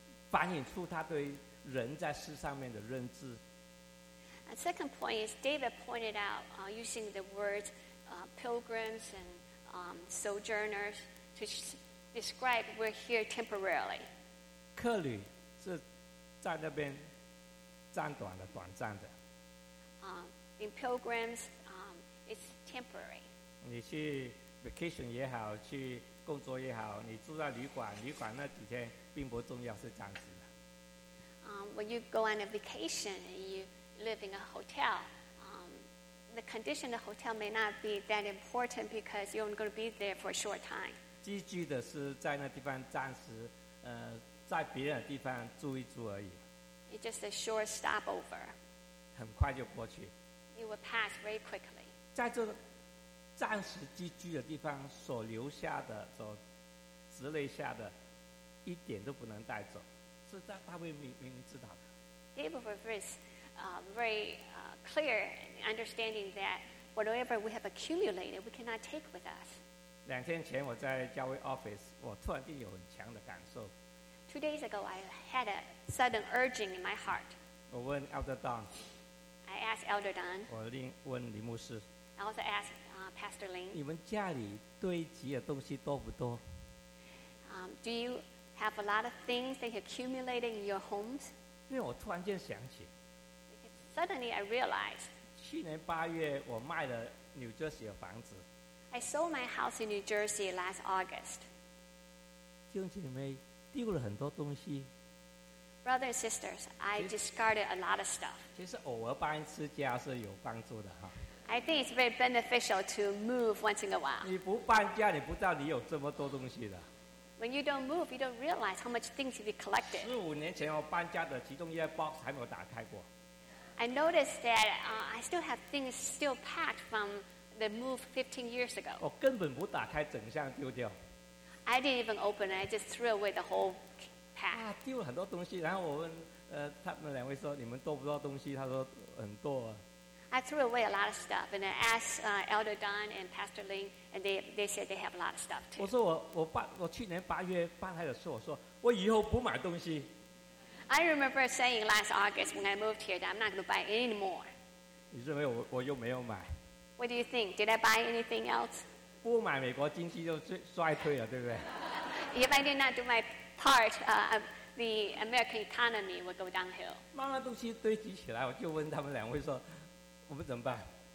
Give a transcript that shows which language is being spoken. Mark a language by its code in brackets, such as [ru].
[zh] 反映出他对人在世上面的认知。 [en] A second point is David pointed out using the words pilgrims and sojourners to describe we're here temporarily. [zh] 客旅是在那边暂短的、短暂的。 [en] In pilgrims, it's temporary. [zh] 你去 vacation 也好，去工作也好，你住在旅馆，旅馆那几天并不重要，是暂时的。 [en] When you go on a vacation, you live in a hotel. The condition of the hotel may not be that important because you're only going to be there for a short time. [zh] 寄居的是在那地方暂时，在别的地方住一住而已。 [en] It's just a short stopover. [zh] 很快就过去。 [en] It will pass very quickly. [zh] 在这暂时寄居的地方所留下的、所积累下的，一点都不能带走，是大卫明知道的。 [en] David was very clear in understanding that whatever we have accumulated, we cannot take with us. [zh] 两天前我在教会 office， 我突然间有很强的感受。 [en] Two days ago, I had a sudden urging in my heart. [zh] 我问 Elder Don。 [en] I asked Elder Don。 [zh] 我问林牧师。 [en] I also asked Pastor Lin。 [zh] 你们家里堆积的东西多不多？ [en] Do you have a lot of things that you accumulated in your homes? [zh] 因为我突然间想起。 [en] Suddenly I realized. [zh] 去年八月我卖了 New Jersey 的房子。 [en] I sold my house in New Jersey last August. [zh] 弟兄姐妹。丢了很多东西。 [en] Brothers and sisters, I discarded a lot of stuff. [zh] 其实偶尔搬次家是有帮助的哈。 [en] I think it's very beneficial to move once in a while. [zh] 你不搬家，你不知道你有这么多东西的。 [en] When you don't move, you don't realize how much things you've collected. [zh] 十五年前我搬家的其中一个 box 还没有打开过。 [en] I noticed that I still have things still packed from the move 15 years ago. [zh] 我根本不打开，整箱丢掉。 [en] I didn't even open it. I just threw away the whole pack. [zh] 啊，丢了很多东西。然后我问，他们两位说，你们多不多东西？他说很多。 [en] I threw away a lot of stuff, and I asked Elder Don and Pastor Ling, and they said they have a lot of stuff too. [zh] 我说我去年八月搬来的时候，我说我以后不买东西。 [en] I remember saying last August when I moved here that I'm not going to buy any more. [zh] 你认为我又没有买 [en] ？What do you think? Did I buy anything else? [zh] 不买美国经济就衰退了，对不对 [en] ？If I did not do my part, the American economy would go downhill. [zh] 慢慢东西堆积起来，我就问他们两位说：“我们怎么办